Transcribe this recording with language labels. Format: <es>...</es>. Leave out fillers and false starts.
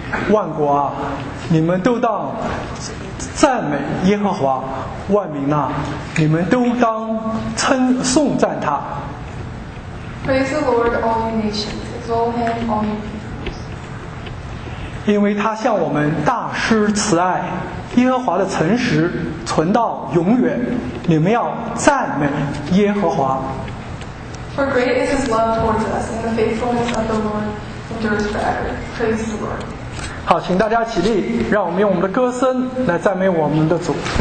<zh>万国啊，你们都当赞美耶和华，万民啊，你们都当称颂赞他。</zh> <en>Praise the Lord, all you nations, exalt him, all you peoples.</en> <zh>因为他向我们大施慈爱，耶和华的诚实存到永远，你们要赞美耶和华。</zh> <en>For great is his love towards us, and the faithfulness of the Lord endures forever. Praise the Lord.</en> <zh>好，请大家起立，让我们用我们的歌声来赞美我们的主。</zh>